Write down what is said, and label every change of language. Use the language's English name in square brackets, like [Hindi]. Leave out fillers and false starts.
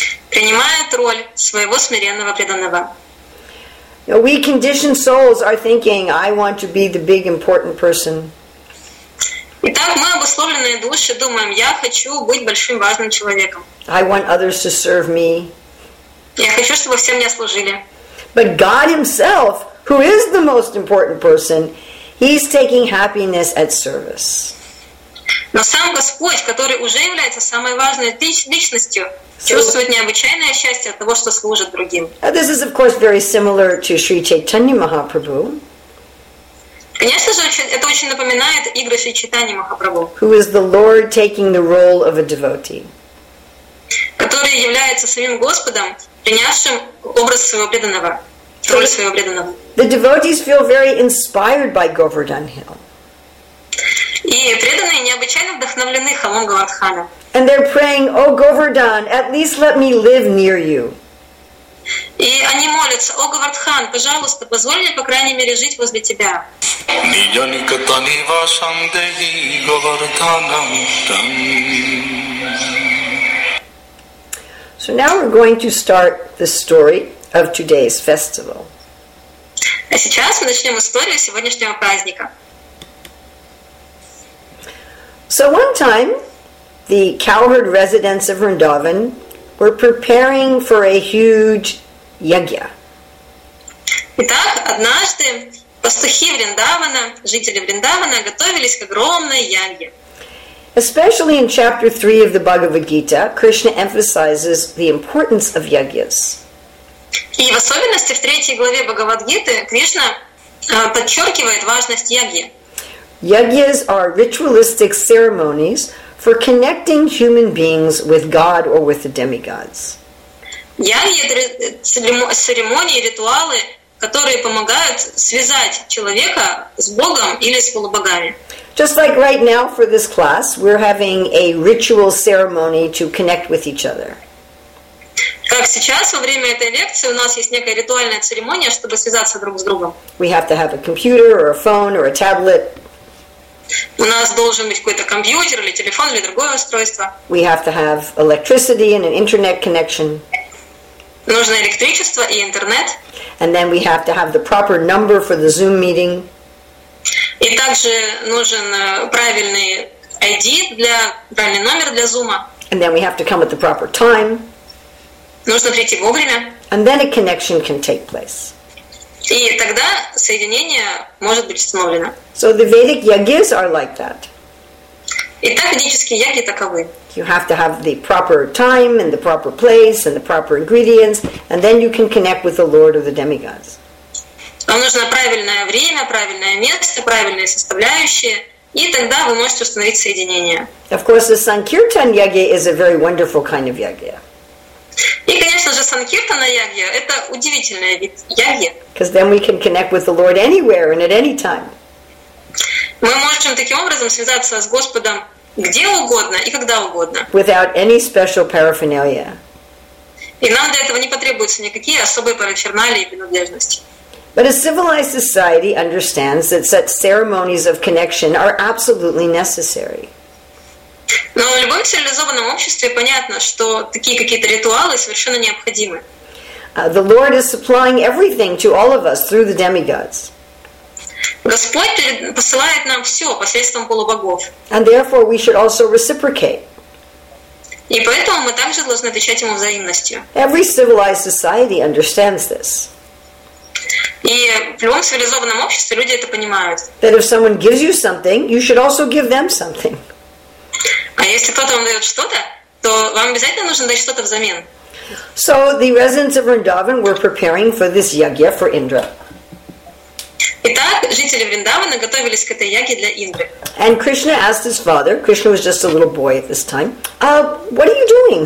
[Russian] Принимает роль своего смиренного преданного. [English] Now, we conditioned souls are thinking, I want to be the big important person. [Russian] Итак, мы, обусловленные души, думаем, я хочу быть большим важным человеком. [English] I want others to serve me. [Russian] Я хочу, чтобы все мне служили. [English] But God himself, who is the most important person, he's taking happiness at service. [Russian] Но сам Господь, который уже является самой важной личностью, чувствует необычайное счастье от того, что служит другим. [English] And this is, of course, very similar to Sri Chaitanya Mahaprabhu. [Russian] Конечно же, это очень напоминает игры Шри Чайтаньи Махапрабху. [English] Who is the Lord taking the role of a devotee? [Russian] Который является самим Господом, принявшим образ своего преданного, роль своего преданного. [English] The devotees feel very inspired by Govardhan Hill. [Russian] И преданные необычайно вдохновлены холмом Говардхана. [English] And they're praying, "O Govardhan, at least let me live near you." [Russian] И они молятся, "О Говардхан, пожалуйста, позволь мне по крайней мере жить возле тебя." [Sanskrit] Nilyanikatani Vashandehi Govardhanam Tam. [English] So now we're going to start the story of today's festival. [Russian] А сейчас мы начнем историю сегодняшнего праздника. [English] So one time, the cowherd residents of Vrindavan were preparing for a huge yagya. [Russian] Итак, однажды пастухи Вриндавана, жители Вриндавана, готовились к огромной ягье. [English] Especially in chapter 3 of the Bhagavad Gita, Krishna emphasizes the importance of yagyas. [Russian] И в особенности в третьей главе Бхагавад-гиты Кришна подчеркивает важность ягьи. [English] Yagyas are ritualistic ceremonies for connecting human beings with God or with the demigods. [Russian] Ягьи — это церемонии, ритуалы, которые помогают связать человека с Богом или с полубогами. [English] Just like right now for this class, we're having a ritual ceremony to connect with each other. [Russian] Как сейчас, во время этой лекции, у нас есть некая ритуальная церемония, чтобы связаться друг с другом. [English] We have to have a computer or a phone or a tablet. [Russian] У нас должен быть какой-то компьютер или телефон или другое устройство. [English] We have to have electricity and an internet connection. [Russian] Нужно электричество и интернет. [English] And then we have to have the proper number for the Zoom meeting. [Russian] И также нужен правильный ID, правильный номер для Zoom. [English] And then we have to come at the proper time. [Russian] Нужно прийти вовремя. [English] And then a connection can take place. [Russian] И тогда соединение может быть установлено. [English] So the Vedic yagyas are like that. [Russian] Итак, ведические ягьи таковы. [English] You have to have the proper time and the proper place and the proper ingredients, and then you can connect with the Lord or the demigods. [Russian] Вам нужно правильное время, правильное место, правильные составляющие, и тогда вы можете установить соединение. [English] Of course, the Sankirtan yagya is a very wonderful kind of yagya. [Russian] И, конечно же, Санкиртана ягья – это удивительный вид ягья. [English] Because then we can connect with the Lord anywhere and at any time. [Russian] Мы можем таким образом связаться с Господом где угодно и когда угодно. [English] Without any special paraphernalia. [Russian] И нам для этого не потребуются никакие особые параферналии и принадлежности. [English] But a civilized society understands that such ceremonies of connection are absolutely necessary. [Russian] Но в любом цивилизованном обществе понятно, что такие какие-то ритуалы совершенно необходимы. [English] The Lord is supplying everything to all of us through the demigods. [Russian] Господь посылает нам все посредством полубогов. [English] And therefore we should also reciprocate. [Russian] И поэтому мы также должны отвечать ему взаимностью. [English] Every civilized society understands this. [Russian] И в любом цивилизованном обществе люди это понимают. [English] That if someone gives you something, you should also give them something. [Russian] А если кто-то вам дает что-то, то вам обязательно нужно дать что-то взамен. [English] So the residents of Vrindavan were preparing for this yagya for Indra. [Russian] Итак, жители Вриндавана готовились к этой ягье для Индры. [English] And Krishna asked his father, Krishna was just a little boy at this time, what are you doing?